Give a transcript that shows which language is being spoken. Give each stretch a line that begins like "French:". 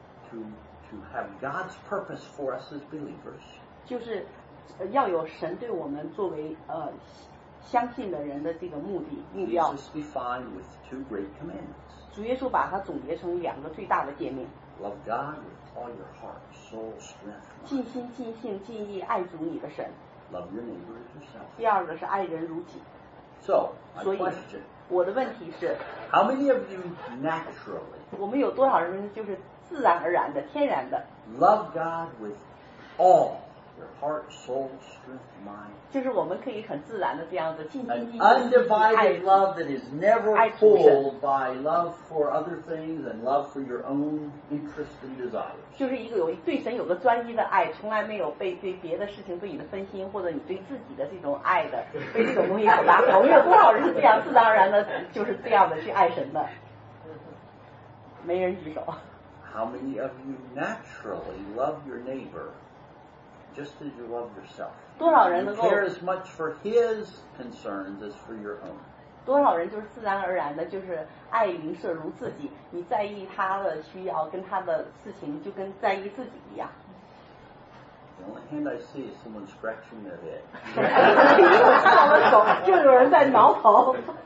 English: To have God's purpose for us as believers.
Chinese: 就是要有神对我们作为相信的人的这个目的目标。
English: Jesus defined with 2 great commandments.
Chinese: 主耶稣把它总结成两个最大的诫命。
English: Love God with all your heart, soul, strength.
Chinese: 尽心、尽性、尽意爱主你的神。
English: Love your neighbor as yourself.
Chinese: 第二个是爱人如己。
English: So, my question.
Chinese: 我的问题是。
English: How many of you naturally?
Chinese: 我们有多少人就是。自然而然的天然的
English: love God with all heart, soul, strength, mind.
Chinese: 就是我们可以很自然的这样的尽心尽力。
English: Undivided love that is never pulled by love for other things and love for your own interests and desires.
Chinese: 就是一个有对神有个专一的爱，从来没有被对别的事情、对你的分心或者你对自己的这种爱的被这种东西所拉走。因为多少人是这样自然而然的，就是这样的去爱神的。没人举手。
English: How many of you naturally love your neighbor just as you love yourself?
Chinese: 多少人能够
English: care as much for his concerns as for your own?
Chinese: 多少人就是自然而然的，就是爱邻舍如自己。你在意他的需要，跟他的事情，就跟在意自己一样。
English: The only hand I see is someone scratching their head.
Chinese: 我看到的手，就有人在挠头。